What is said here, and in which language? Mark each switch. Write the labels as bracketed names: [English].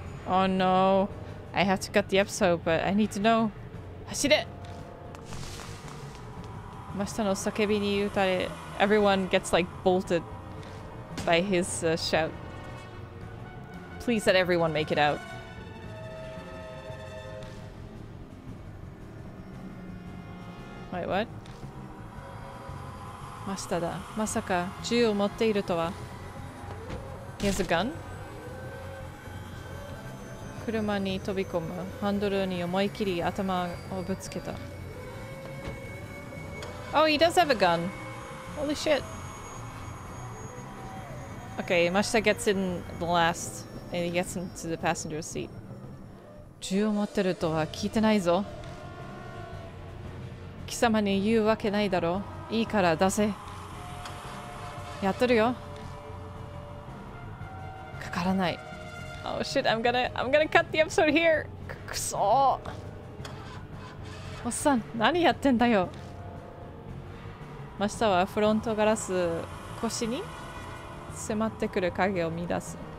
[English] Oh no, I have to cut the episode, but I need to know. [Japanese] 走れ。マスターの叫びに打たれ。 [English] Everyone gets like bolted by his、shout. Please let everyone make it out. [Japanese] 待って、 [English] what? [Japanese] マスターだ。まさか銃を持っているとは。 [English] He has a gun? [Japanese] 車に飛び込む。ハンドルに思い切り頭をぶつけた。 [English] Oh, he does have a gun. Holy shit. Okay, Mashita gets in the last and he gets into the passenger seat. [Japanese] 銃を持ってるとは聞いてないぞ。貴様に言うわけないだろ。いいから出せ。やっとるよ。かからない。 [English] Oh shit, I'm gonna cut the episode here! [Japanese] くそー! おっさん、何やってんだよ? マスターはフロントガラス腰に迫ってくる影を見出す。